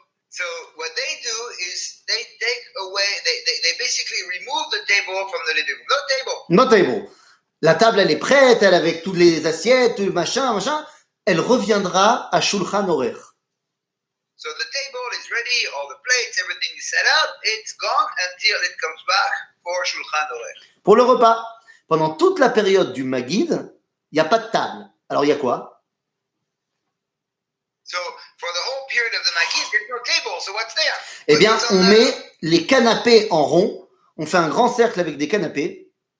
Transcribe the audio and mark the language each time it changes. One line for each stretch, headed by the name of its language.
English: So what they do is they take away, they basically remove the table from the living room. No table.
French: La table, elle est prête, elle avec toutes les assiettes, tout le machin. Elle reviendra à Shulchan Orer.
English: So the table is ready, all the plates, everything is set up. It's gone until it comes back for Shulchan Orer.
French: Pour le repas, pendant toute la période du Magid, il n'y a pas de table. Alors, il y a quoi?
English: So, for the whole period of the Magid, there's no table. So, what's there?
French: Eh bien, on met les canapés en rond. On fait un grand cercle avec des canapés.